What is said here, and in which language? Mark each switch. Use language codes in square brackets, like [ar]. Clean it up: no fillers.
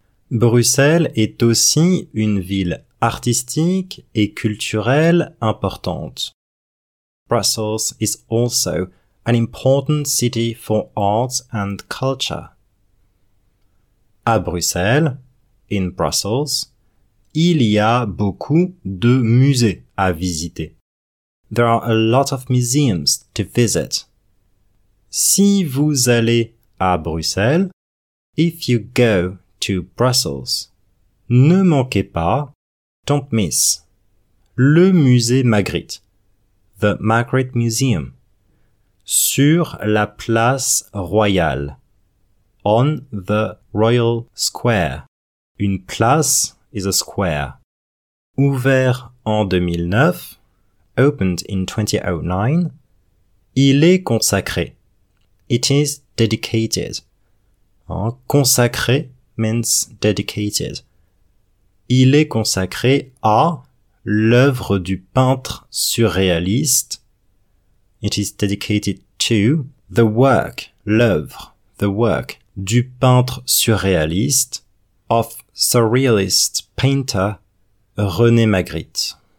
[fr] Bruxelles est aussi une ville artistique et culturelle importante. [en] Brussels is also an important city for arts and culture. [fr] À Bruxelles, [en] in Brussels, [fr] il y a beaucoup de musées à visiter. [en] There are a lot of museums to visit. [fr] Si vous allez à Bruxelles, [en] if you go to Brussels, [fr] ne manquez pas, [en] don't miss, [fr] le musée Magritte. [en] The Magritte Museum, [fr] sur la place royale, [en] on the Royal Square. [fr] Une place [en] is a square. [fr] Ouvert en 2009, [en] opened in 2009, [fr] il est consacré. [en] It is dedicated. Consacré means dedicated. [fr] Il est consacré à l'œuvre du peintre surréaliste. [en] It is dedicated to the work, [fr] l'œuvre, [en] the work, [fr] du peintre surréaliste, [en] of surrealist painter René Magritte.